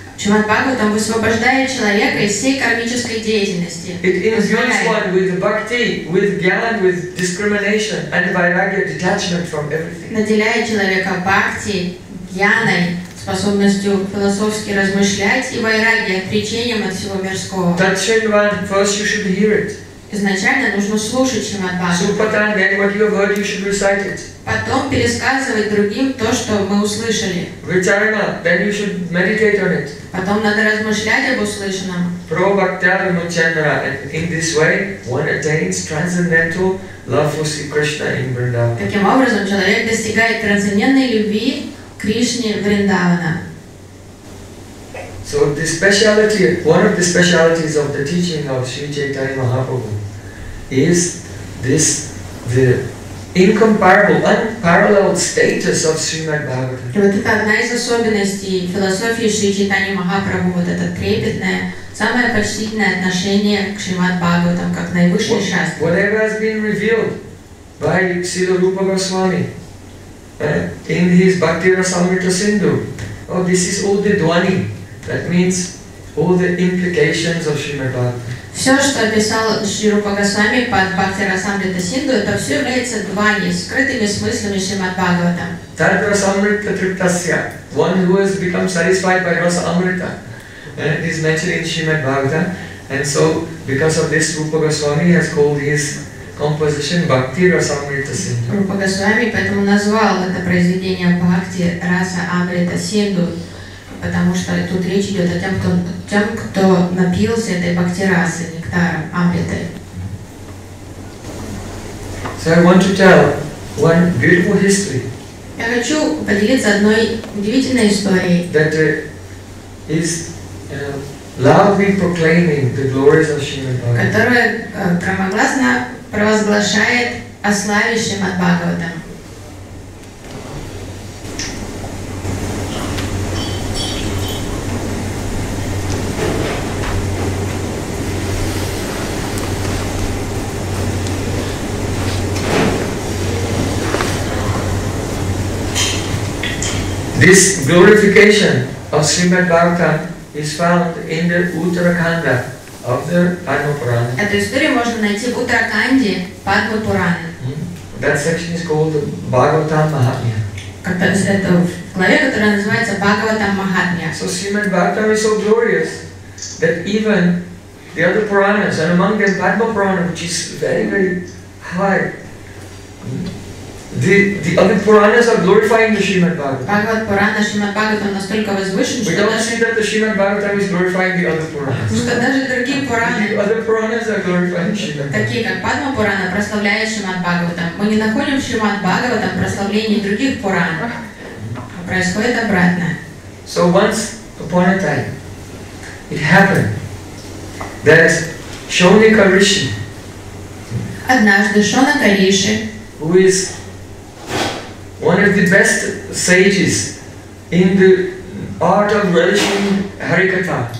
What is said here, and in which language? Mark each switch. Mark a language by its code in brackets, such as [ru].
[ru] Шримад Бхагаватам высвобождает человека из всей кармической деятельности. [en] It imbues one with bhakti, with gyan, with discrimination and vairagya, detachment from everything. [ru] Наделяет человека бхакти, гьяной, способностью философски размышлять и вайраги, отречением от всего мирского. [sa] That Шринван, [en] first you should hear it. [ru] Изначально нужно слушать Шримад Бхагаватам. Потом пересказывать другим то, что мы услышали. [en] Вичарна, then you should meditate on it. [ru] Потом надо размышлять об услышанном. [sa] Пробхактя вимучендра. [en] In this way, one attains transcendental love for Sri Krishna in Vrindavan. [ru] Таким образом, человек достигает трансцендентной любви Кришне Вриндавана. [en] So the speciality, one of the specialities of the teaching of Sri Chaitanya Mahaprabhu is this, the incomparable, unparalleled status of Srimad Bhagavatam. [ru] Вот это одна из особенностей философии Шри Чайтаньи Махапрабху, вот это трепетное, самое почтительное отношение к Шримад Бхагаватам, как наивысшей шастре. [en] Whatever has been revealed by Śrīla Rūpa Gosvāmī in his Bhakti Rasamrita Sindhu, oh, this is all the dvani. That means all the implications of Srimad Bhagavatam. [ru] Все, что описал Шри Рупа Госвами под Бхакти Расамрита Синдху, это все является двани, скрытыми смыслами Шримад Бхагаватам. [sa] Тат Расамрита Триптасья, [en] one who has become satisfied by Rasa Amrita, is mentioned in Srimad Bhagavatam. And so, because of this, Rupa Goswami has called his composition Bhakti Rasamrita Sindhu. [ru] Рупа Госвами поэтому назвал это произведение Бхакти Раса Амрита Синдху, потому что тут речь идет о тем, кто напился этой бхактирасы, нектаром, амритой. [en] So I want to tell one beautiful history. [ru] Я хочу поделиться одной удивительной историей. [en] That is loudly proclaiming the glories of Shrimad Bhagavatam. [ru] Которая громогласно провозглашает о славе Шримад Бхагаватам. [en] This glorification of Srimad Bhagavatam is found in the Uttarakhanda of the Padma Purana. [ru] Эту историю можно найти в Уттаракханде Падма Пурана. [en] That section is called Bhagavatam Mahatmya. [ru] Это в главе, которая называется Bhagavatam Mahatmya. [en] So Srimad Bhagavatam is so glorious that even the other Puranas, and among them Padma Purana, which is very, very high, The other Puranas are glorifying the Srimad Bhagavatam. [ru] Bhagavat Purana, Srimad Bhagavatam настолько возвышен, что [en] we don't see that the Srimad Bhagavatam is glorifying the other Puranas. [ru] Даже другие Пураны. [en] The other Puranas are glorifying Srimad. [ru] Такие как Падма Пурана прославляет Шримад Бхагаватам. Мы не находим Шримад Бхагаватам прославление других Пуран. Происходит обратно. [en] So once upon a time, it happened that Shonika Rishi. [ru] Однажды Шонака Риши. [en] Who is one of the best sages in the art of relishing Harikatha.